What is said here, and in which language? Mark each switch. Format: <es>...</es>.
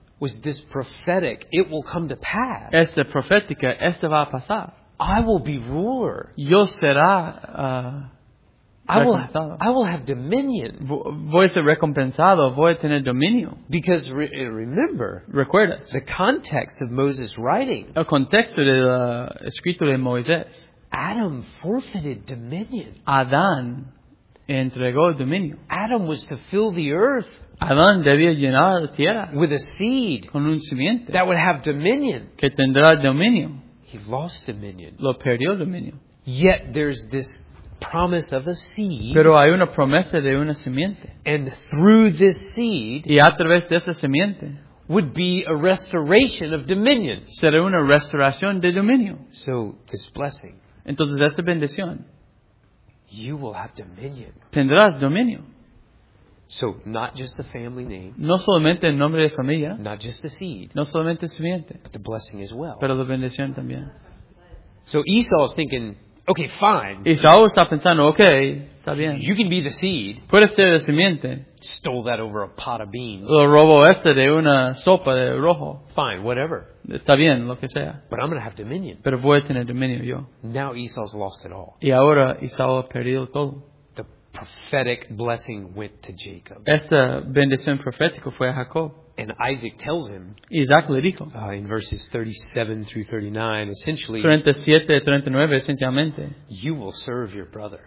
<en>was this prophetic, it will come to pass,</en> <es>esta profética, esta va a pasar,</es> <en>I will be ruler,</en> <es>yo será</es> <en>I will have dominion.</en> <es>Voy a ser recompensado. Voy a tener dominio.</es> <en>Because remember,</en> <es>recuerda,</es> <en>the context of Moses' writing.</en> <es>El contexto del escrito de Moisés.</es> <en>Adam forfeited dominion.</en> <es>Adán entregó dominio.</es> <en>Adam was to fill the earth.</en> <es>Adán debía llenar la tierra.</es> <en>With a seed.</en> <es>Con un simiente.</es> <en>That would have dominion.</en> <es>Que tendrá dominio.</es> <en>He lost dominion.</en> <es>Lo perdió dominio.</es> <en>Yet there's this promise of a seed.</en> <es>Pero hay una promesa de una simiente.</es> <en>And through this seed,</en> <es>y a través de esa simiente,</es> <en>would be a restoration of dominion.</en> <es>Será una restauración de dominio.</es> <en>So this blessing.</en> <es>Entonces esta bendición.</es> <en>You will have dominion.</en> <es>Tendrás dominio.</es> <en>So not just the family name.</en> <es>No solamente el nombre de familia.</es> <en>Not just the seed.</en> <es>No solamente simiente.</es> <en>But the blessing as well.</en> <es>Pero la bendición también.</es> <en>So Esau is thinking, okay, fine.</en> <es>Esau está pensando, okay, está bien.</es> <en>You can be the seed.</en> <es>Puede ser la simiente.</es> <en>Stole that over a pot of beans.</en> <es>Lo robó este de una sopa de rojo.</es> <en>Fine, whatever.</en> <es>Está bien, lo que sea.</es> <en>But I'm going to have dominion.</en> <es>Pero voy a tener dominio yo.</es> <en>Now Esau's lost it all.</en> <es>Y ahora Esau ha perdido todo.</es> <en>The prophetic blessing went to Jacob.</en> <es>Esta bendición profética fue a Jacob.</es> <en>And Isaac tells him,</en> <es>Isaac le dijo,</es> <en>in verses 37 through 39, essentially,</en> <es>37 y 39, esencialmente,</es> <en>you will serve your brother.</en>